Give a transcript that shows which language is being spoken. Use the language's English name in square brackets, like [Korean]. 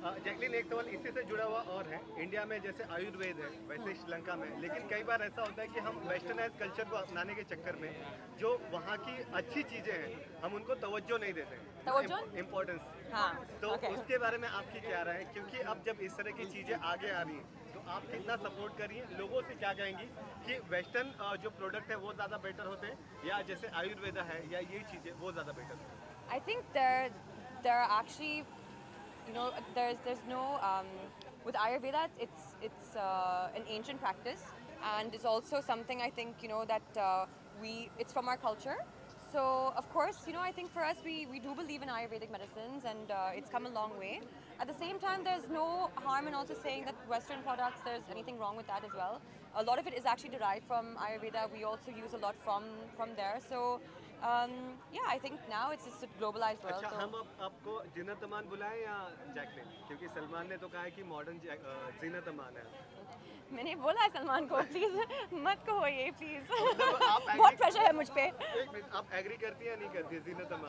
[Hindi] Jacqueline, एक सवाल इसी से जुड़ा हुआ और है, इंडिया में जैसे आयुर्वेद है वैसे श्रीलंका में, लेकिन कई बार ऐसा होता है कि हम वेस्टर्नाइज कल्चर को अपनाने के चक्कर में जो वहाँ की अच्छी चीज़ें हैं हम उनको तवज्जो नहीं देते, इम्पोर्टेंस, तो उसके बारे में आपकी क्या राय है, क्योंकि अब जब इस तरह की चीज़ें आगे आ रही हैं तो आप कितना सपोर्ट करिए, लोगों से क्या कहेंगी कि वेस्टर्न जो प्रोडक्ट है वो ज़्यादा बेटर होते हैं या जैसे आयुर्वेदा है या ये चीज़ें वो ज़्यादा better? [English] I think there are actually, you know, there's no with Ayurveda, it's an ancient practice and it's also something I think, you know, that it's from our culture, so of course, you know, I think for us we do believe in Ayurvedic medicines and it's come a long way. At the same time, there's no harm in also saying that Western products, there's anything wrong with that as well. A lot of it is actually derived from Ayurveda, we also use a lot from there, so I think now it's just a globalized world. [Hindi] अच्छा, हम आपको जिनत अमान बुलाएं या Jacqueline, क्योंकि सलमान ने तो कहा है कि मॉडर्न जिनत अमान है। मैंने बोला है सलमान को प्लीज मत कहो ये प्लीज, बहुत प्रेशर है मुझ पे। आप एग्री करती हैं नहीं करती जिनत अमान?